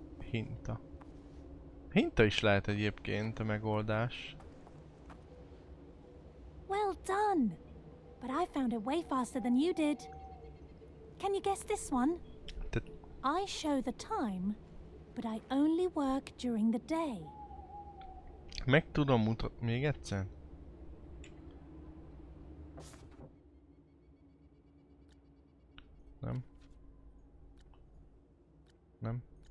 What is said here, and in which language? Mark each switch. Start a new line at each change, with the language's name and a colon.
Hungarian: Hinta. Hinta is lehet egyébként a megoldás.
English: Well done. But I found it way faster than you did. Can you guess this one? I show the time, but I only work during the day.
Hungarian: Meg tudom mutatni még egyszer. Nem. Nem.